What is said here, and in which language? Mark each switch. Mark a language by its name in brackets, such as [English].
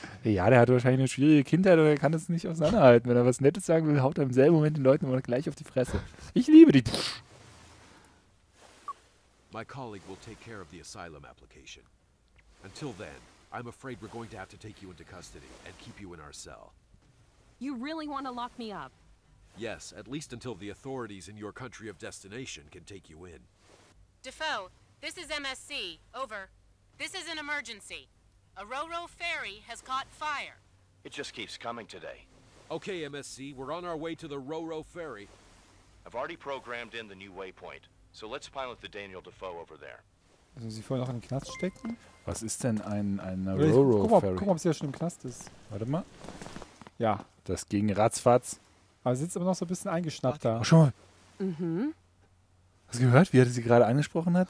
[German] Ja, der hat wahrscheinlich eine schwierige Kindheit und er kann das nicht auseinanderhalten. Wenn er was Nettes sagen will, haut er im selben Moment den Leuten immer gleich auf die Fresse. Ich liebe die. [English] My colleague will take care of the asylum application. Until then, I'm afraid we're going to have to take you into custody and keep you in our cell. You really want to lock me up? Yes, at least until the authorities in your country of destination can take you in. Defoe, this is MSC. Over. This is an emergency. A Ro-Ro ferry has caught fire. It just keeps coming today. Okay, MSC, we're on our way to the Ro-Ro ferry. I've already programmed in the new waypoint, so let's pilot the Daniel Defoe over there. [German] Sollen Sie vorher noch in den Knast stecken? Was ist denn ein Ro-Ro ferry? Guck mal, ob sie ja schon im Knast ist. Warte mal. Ja. Das ging ratzfatz. Aber sie sitzt aber noch so ein bisschen eingeschnappt da. Oh, schon mal. Mhm. Hast du gehört, wie er sie gerade angesprochen hat?